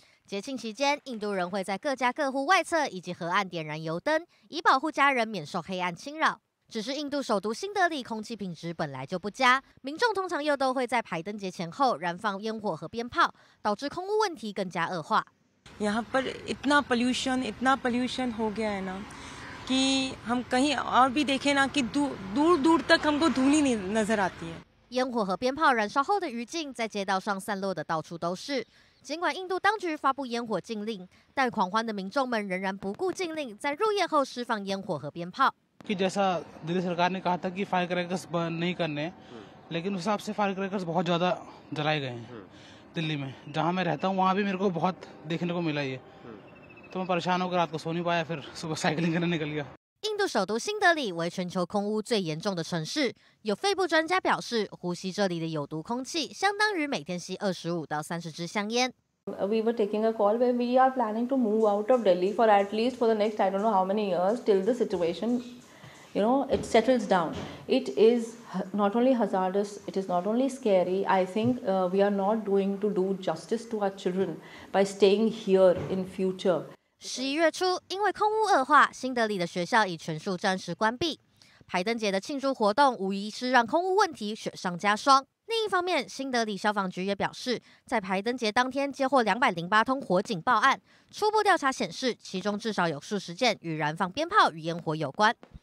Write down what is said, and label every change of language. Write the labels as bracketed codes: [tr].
[zh] 节庆期间，印度人会在各家各户外侧以及河岸点燃油灯，以保护家人免受黑暗侵扰。只是印度首都新德里空气品质本来就不佳，民众通常又都会在排灯节前后燃放烟火和鞭炮，导致空污问题更加恶化。 [hi] यहाँ पर इतना pollution हो गया है ना कि हम कहीं और भी देखें ना कि दूर दूर तक हमको धूल ही नजर आती है。 [zh] 烟火和鞭炮燃烧后的余烬在街道上散落的到处都是。尽管印度当局发布烟火禁令，但狂欢的民众们仍然不顾禁令，在入夜后释放烟火和鞭炮。 [hi] कि जैसा दिल्ली सरकार ने कहा था कि फायर क्रैकर्स नहीं करने लेकिन उस हिसाब से फायर क्रैकर्स बहुत ज्यादा जलाए गए हैं दिल्ली में जहां मैं रहता हूं वहां भी मेरे को बहुत देखने को मिला ये तो मैं परेशान होकर रात को सो नहीं पाया फिर सुबह साइकिलिंग करने निकल गया [zh] 印度首都新德里为全球空污最严重的城市。有肺部专家表示，呼吸这里的有毒空气相当于每天吸25到30支香烟。 [en] We were taking a call where we are planning to move out of Delhi for at least for the next I don't know how many years till the situation you know, it settles down. It is not only hazardous, it is not only scary. I think we are not going to do justice to our children by staying here in future. [zh] 11月初，因为空污恶化，新德里的学校已全数暂时关闭。排灯节的庆祝活动无疑是让空污问题雪上加霜。另一方面，新德里消防局也表示，在排灯节当天接获208通火警报案，初步调查显示，其中至少有数十件与燃放鞭炮与烟火有关。